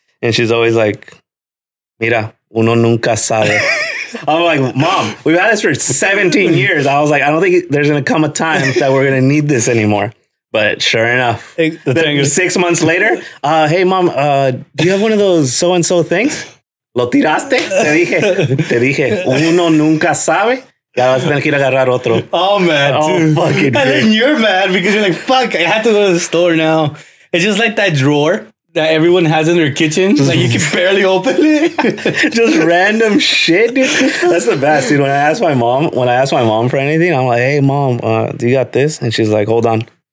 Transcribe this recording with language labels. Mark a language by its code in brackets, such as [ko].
[en] And she's always like, [es] mira, uno nunca sabe. [en] I'm like, mom, we've had this for 17 years. I was like, I don't think there's going to come a time that we're going to need this anymore. But sure enough, the 6 months later, hey, mom, do you have one of those so-and-so things? [es] Lo tiraste, te dije, uno nunca sabe, ya vas a tener que ir a agarrar otro. [en] Oh, man, oh, dude. Fucking and then you're mad because you're like, fuck, I have to go to the store now. It's just like that drawer that everyone has in their kitchen. Just like, you can barely open it. Just random shit, dude. That's the best, dude. When I ask my mom for anything, I'm like, hey, mom, do you got this? And she's like, hold on.